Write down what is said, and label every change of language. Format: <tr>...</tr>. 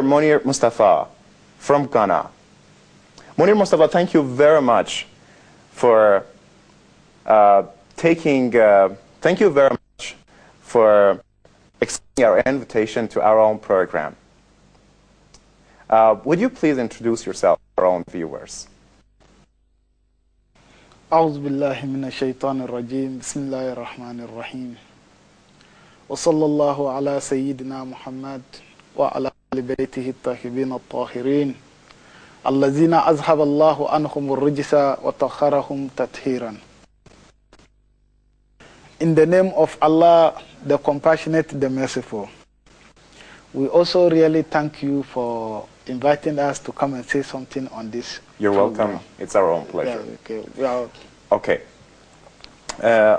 <en>Munir Mustafa from Ghana. Munir Mustafa, thank you very much for accepting our invitation to our own program. Would you please introduce yourself to our own viewers?</en> <ar>أعوذ بالله من الشيطان الرجيم بسم الله الرحمن الرحيم وصلى الله على سيدنا محمد وعلى آل بيته الطاهرين الطاهرين الذين أذهب الله عنهم الرجس وطهرهم تطهيرا.</ar> <en>In the name of Allah, the compassionate, the merciful, we also really thank you for inviting us to come and say something on this. You're welcome. It's our own pleasure. Yeah, okay. We are</en>